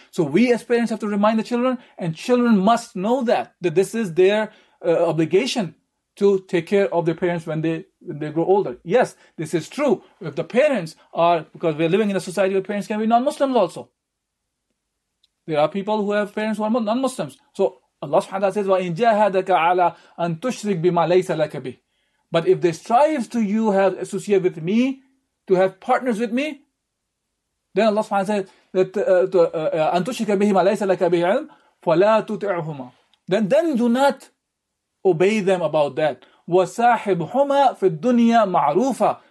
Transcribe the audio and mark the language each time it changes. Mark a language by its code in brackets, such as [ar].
[en] So we as parents have to remind the children, and children must know that, that this is their obligation to take care of their parents when they grow older. Yes, this is true. If the parents are, because we're living in a society where parents can be non-Muslims also. There are people who have parents who are non-Muslims. So Allah subhanahu wa ta'ala says, [ar] وَإِن جَاهَدَكَ عَلَىٰ أَن تُشْرِكْ بِمَا لَيْسَ لَكَ بِهِ. [en] But if they strive to you have associate with me, to have partners with me, then Allah subhanahu wa ta'ala says, [ar] أَن تُشْرِكَ بِهِمَا لَيْسَ لَكَ بِهِ عِلْمٍ فَلَا تُطِعْهُمَا. [en] Then do not obey them about that. [ar] وَسَاحِبْهُمَا فِي الدُّنْيَا مَعْرُوفًا.